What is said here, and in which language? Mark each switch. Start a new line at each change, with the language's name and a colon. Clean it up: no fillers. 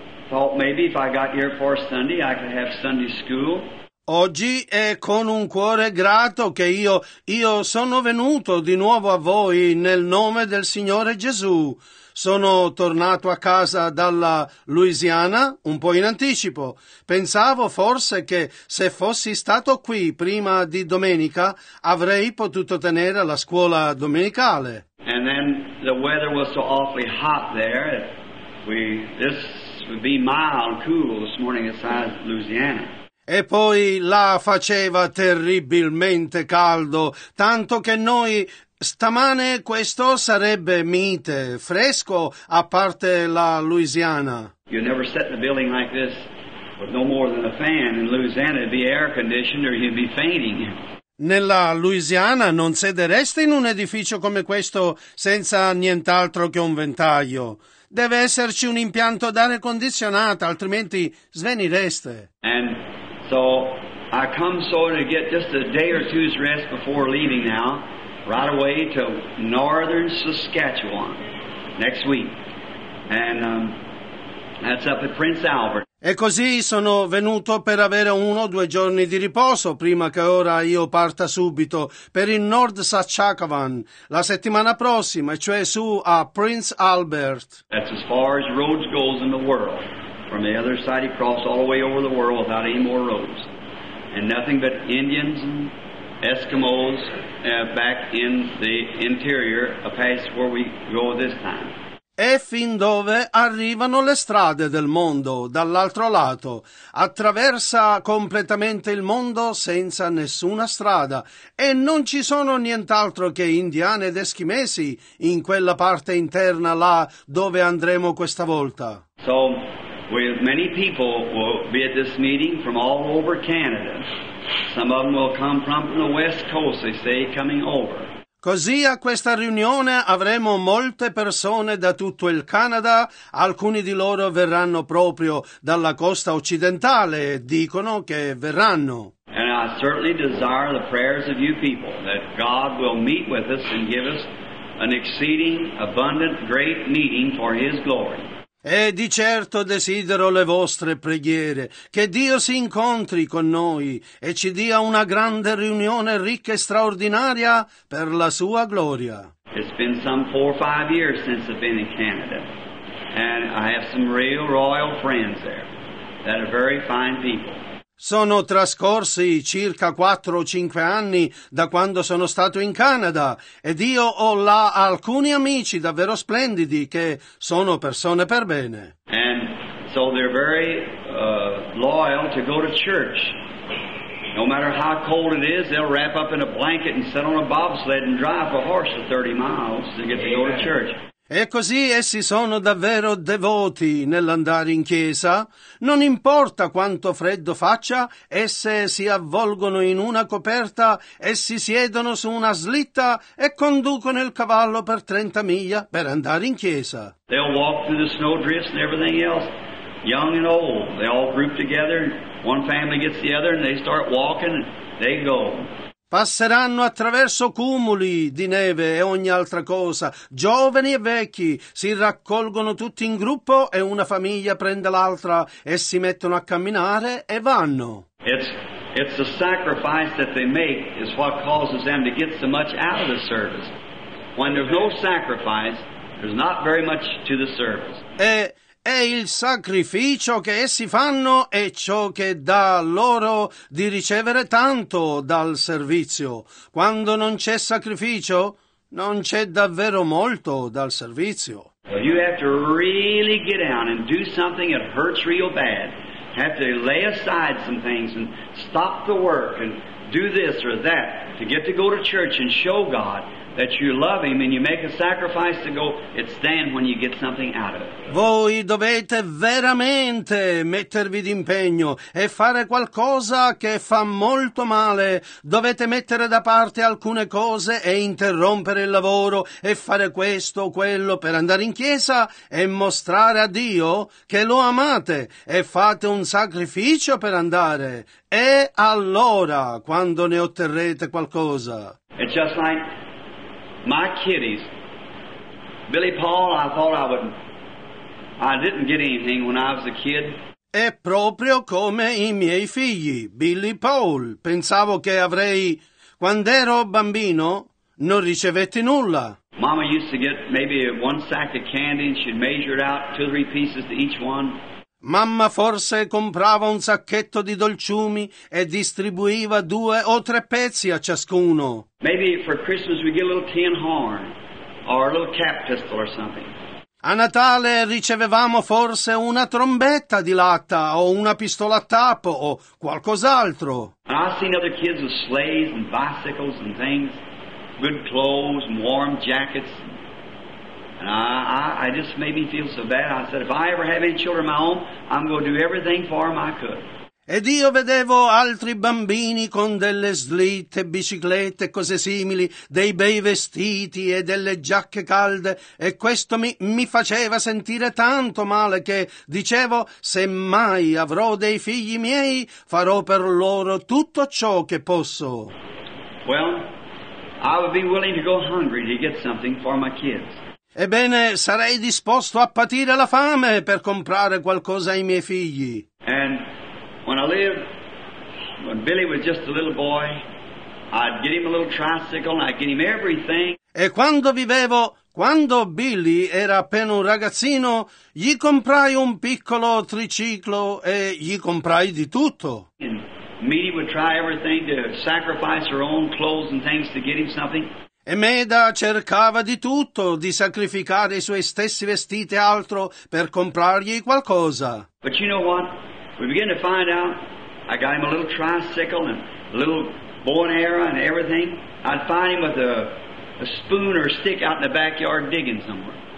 English: Thought maybe if I got here for Sunday I could have Sunday school.
Italian: Oggi è con un cuore grato che io sono venuto di nuovo a voi nel nome del Signore Gesù. Sono tornato a casa dalla Louisiana un po' in anticipo. Pensavo forse che se fossi stato qui prima di domenica avrei potuto tenere la scuola domenicale.
English: And then the weather was so awfully hot there. This would be mild cool this morning inside Louisiana.
Italian: E poi là faceva terribilmente caldo, tanto che noi stamane questo sarebbe mite, fresco, a parte la Louisiana.
English: You never sit in a building like this with no more than a fan in Louisiana, it'd be air conditioned or you'd be fainting.
Italian: Nella Louisiana non sedereste in un edificio come questo senza nient'altro che un ventaglio. Deve esserci un impianto d'aria condizionata, altrimenti svenireste.
English: And so I come so to get just a day or two's rest before leaving now, right away to northern Saskatchewan next week. And that's up at Prince Albert.
Italian: E così sono venuto per avere uno o due giorni di riposo prima che ora io parta subito per il North Saskatchewan la settimana prossima, cioè su a Prince Albert.
English: That's as far as roads goes in the world. From the other side, he crossed all the way over the world without any more roads. And nothing but Indians and Eskimos back in the interior, a place where we go this time.
Italian: E fin dove arrivano le strade del mondo, dall'altro lato. Attraversa completamente il mondo senza nessuna strada. E non ci sono nient'altro che indiani ed eschimesi in quella parte interna là dove andremo questa volta.
English: So, with many people will be at this meeting from all over Canada. Some of them will come from the west coast, they say, coming over.
Italian: Così a questa riunione avremo molte persone da tutto il Canada. Alcuni di loro verranno proprio dalla costa occidentale, dicono che verranno.
English: And I certainly desire the prayers of you people, that God will meet with us and give us an exceeding, abundant, great meeting for His glory.
Italian: E di certo desidero le vostre preghiere, che Dio si incontri con noi e ci dia una grande riunione ricca e straordinaria per la sua gloria.
English: It's been some 4 or 5 years since I've been in Canada, and I have some real royal friends there that are very fine people.
Italian: Sono trascorsi circa 4 o 5 anni da quando sono stato in Canada ed io ho là alcuni amici davvero splendidi che sono persone per bene.
English: And so they're very loyal to go to church. No matter how cold it is, they'll wrap up in a blanket and sit on a bobsled and drive a horse 30 miles to get to go to church.
Italian: E così essi sono davvero devoti nell'andare in chiesa. Non importa quanto freddo faccia, esse si avvolgono in una coperta e si siedono su una slitta e conducono il cavallo per 30 miglia per andare in chiesa.
English: They'll walk through the snowdrifts and everything else, young and old. They all group together, one family gets the other and they start walking and they go.
Italian: Passeranno attraverso cumuli di neve e ogni altra cosa. Giovani e vecchi si raccolgono tutti in gruppo e una famiglia prende l'altra e si mettono a camminare e vanno.
English: It's the sacrifice that they make is what causes them to get so much out of the service. When there's no sacrifice, there's not very much to the service.
Italian: E il sacrificio che essi fanno è ciò che dà loro di ricevere tanto dal servizio. Quando non c'è sacrificio, non c'è davvero molto dal servizio.
English: You have to really get down and do something that hurts real bad. Have to lay aside some things and stop the work and do this or that, to get to go to church and show God that you love Him and you make a sacrifice to go, it's then when you get something out of it.
Italian: Voi dovete veramente mettervi d'impegno e fare qualcosa che fa molto male. Dovete mettere da parte alcune cose e interrompere il lavoro e fare questo o quello per andare in chiesa e mostrare a Dio che lo amate e fate un sacrificio per andare. E allora, quando ne otterrete qualcosa?
English: It's just like my kiddies. Billy Paul, I thought I didn't get anything when I was a kid.
Italian: È proprio come i miei figli, Billy Paul. Pensavo che avrei, quando ero bambino, non ricevetti nulla.
English: Mama used to get maybe one sack of candy and she'd measure it out, two or three pieces to each one.
Italian: Mamma forse comprava un sacchetto di dolciumi e distribuiva due o tre pezzi a ciascuno.
English: Maybe for Christmas we get a little tin horn or a little cap pistol or something.
Italian: A Natale ricevevamo forse una trombetta di latta o una pistola a tappo o qualcos'altro.
English: And I've seen other kids with sleighs and bicycles and things, good clothes and warm jackets. And I just made me feel so bad. I said, if I ever have any children of my own, I'm going to do everything for them I could.
Italian: Ed io vedevo altri bambini con delle slitte, biciclette e cose simili, dei bei vestiti e delle giacche calde, e questo mi faceva sentire tanto male che dicevo, se mai avrò dei figli miei, farò per loro tutto ciò che posso.
English: Well, I would be willing to go hungry to get something for my kids.
Italian: Ebbene, sarei disposto a patire la fame per comprare qualcosa ai miei figli.
English: And when I lived, when Billy was just a little boy, I'd get him a little tricycle and I'd get him everything.
Italian: E quando vivevo, quando Billy era appena un ragazzino, gli comprai un piccolo triciclo e gli comprai di tutto.
English: And Meadie would try everything to sacrifice her own clothes and things to get him something.
Italian: E Meda cercava di tutto, di sacrificare i suoi stessi vestiti e altro per comprargli qualcosa.
English: But you know what? We begin to find out, I got him a little tricycle and a little bow and arrow and everything. I'd find him with a spoon or a stick out in the backyard digging somewhere.